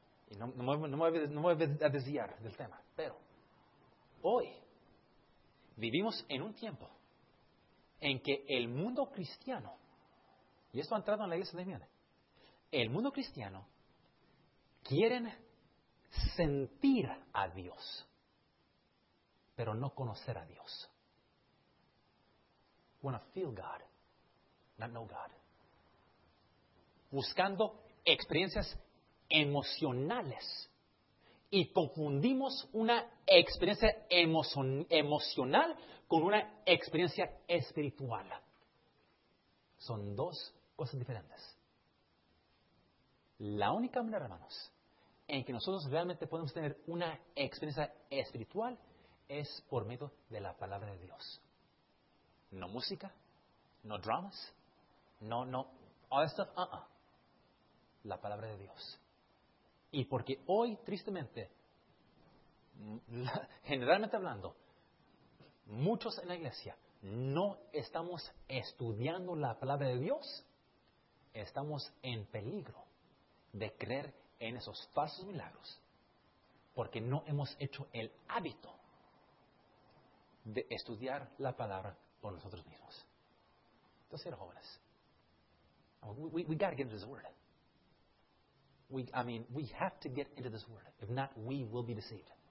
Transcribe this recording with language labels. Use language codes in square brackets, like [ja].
[es] Y no me voy a desviar del tema, pero hoy vivimos en un tiempo en que el mundo cristiano, y esto ha entrado en la iglesia también, el mundo cristiano quieren sentir a Dios, pero no conocer a Dios. [en] Want to feel God, not know God. [es] Buscando experiencias emocionales y confundimos una experiencia emocional con una experiencia espiritual. Son dos cosas diferentes. La única manera, hermanos, en que nosotros realmente podemos tener una experiencia espiritual es por medio de la palabra de Dios. No música, no dramas, no [en] all that stuff, [es] la palabra de Dios. Y porque hoy, tristemente, generalmente hablando, muchos en la iglesia no estamos estudiando la palabra de Dios, estamos en peligro de creer en esos falsos milagros porque no hemos hecho el hábito de estudiar la palabra por nosotros mismos. Entonces, jóvenes, [en] we got to get into this word. We have to get into this word. If not, we will be deceived.